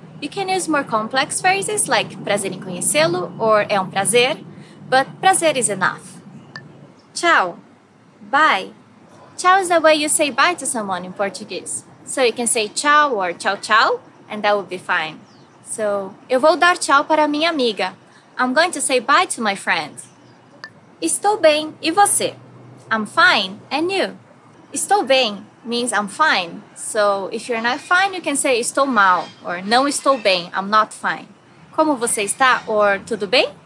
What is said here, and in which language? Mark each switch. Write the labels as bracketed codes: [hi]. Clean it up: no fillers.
[en] You can use more complex phrases like prazer em conhecê-lo or é prazer, but prazer is enough. Tchau. Bye. Tchau is the way you say bye to someone in Portuguese. So you can say tchau or tchau tchau and that would be fine. [pt] So, eu vou dar tchau para minha amiga. [en] I'm going to say bye to my friend. [pt] Estou bem. E você? [en] I'm fine. And you? Estou bem means I'm fine. So if you're not fine, you can say estou mal or não estou bem, I'm not fine. [pt] Como você está? [en] Or tudo bem?